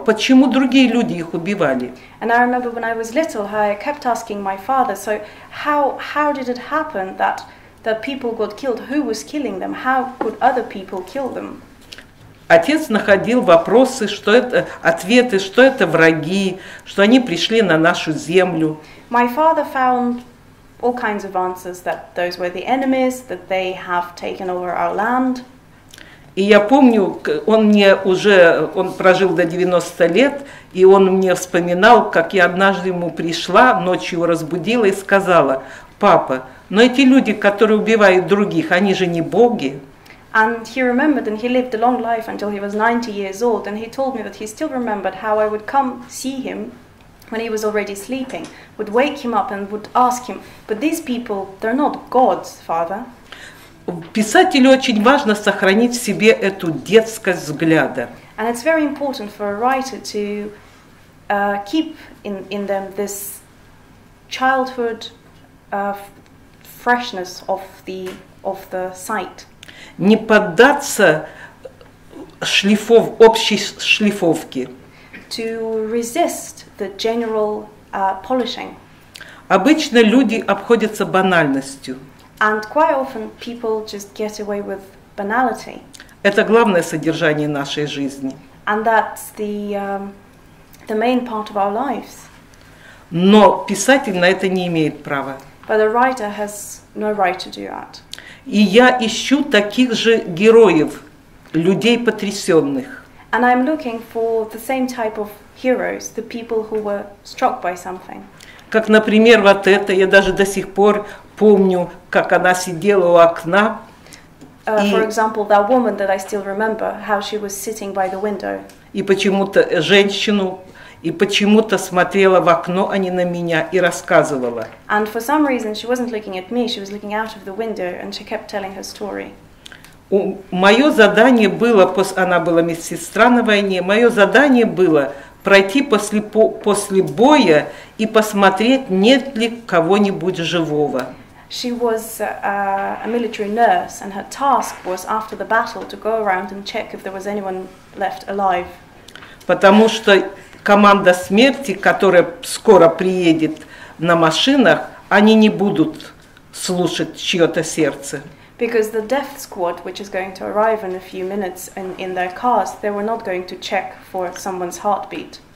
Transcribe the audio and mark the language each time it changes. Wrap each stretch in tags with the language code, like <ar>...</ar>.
<ru>Почему другие люди их убивали?</ru> <en>And I remember when I was little, I kept asking my father, so how did it happen that people got killed? Who was killing them? How could other people kill them?</en> <ru>Отец находил вопросы, что это ответы, что это враги, что они пришли на нашу землю.</ru> <en>My father found all kinds of answers that those were the enemies, that they have taken over our land.</en> <ru>И я помню, он прожил до 90 лет, и он мне вспоминал, как я однажды ему пришла, ночью его разбудила и сказала, «Папа, но эти люди, которые убивают других, они же не боги».</ru> <en>And he remembered, and he lived a long life until he was 90 years old, and he told me that he still remembered how I would come see him when he was already sleeping, would wake him up and would ask him, «But these people, they're not gods, father».</en> <ru>Писателю очень важно сохранить в себе эту детскость взгляда.</ru> <en>And it's very important for a writer to keep in them this childhood freshness of the sight.</en> <ru>не поддаться общей шлифовке.</ru> <en>To resist the general polishing.</en> <ru>Обычно люди обходятся банальностью.</ru> <en>And quite often people just get away with banality.</en> <ru>Это главное содержание нашей жизни.</ru> <en>And that's the main part of our lives.</en> <ru>Но писатель на это не имеет права.</ru> <en>But the writer has no right to do that.</en> <ru>И я ищу таких же героев, людей потрясенных.</ru> <en>And I'm looking for the same type of heroes, the people who were struck by something.</en> <ru>Как, например, вот это, я даже до сих пор помню, как она сидела у окна.</ru> <en>For example, that woman that I still remember, how she was sitting by the window.</en> <ru>И почему-то женщину, и почему-то смотрела в окно, а не на меня, и рассказывала.</ru> <en>And for some reason, she wasn't looking at me, she was looking out of the window, and she kept telling her story.</en> <ru>Мое задание было, она была медсестра на войне, мое задание было пройти после боя и посмотреть, нет ли кого-нибудь живого.</ru> <en>She was a military nurse, and her task was after the battle to go around and check if there was anyone left alive.</en> <ru>Потому что команда смерти, которая скоро приедет на машинах, они не будут слушать чье-то сердце.</ru> <en>Because the death squad, which is going to arrive in a few minutes in their cars, they were not going to check for someone's heartbeat.</en>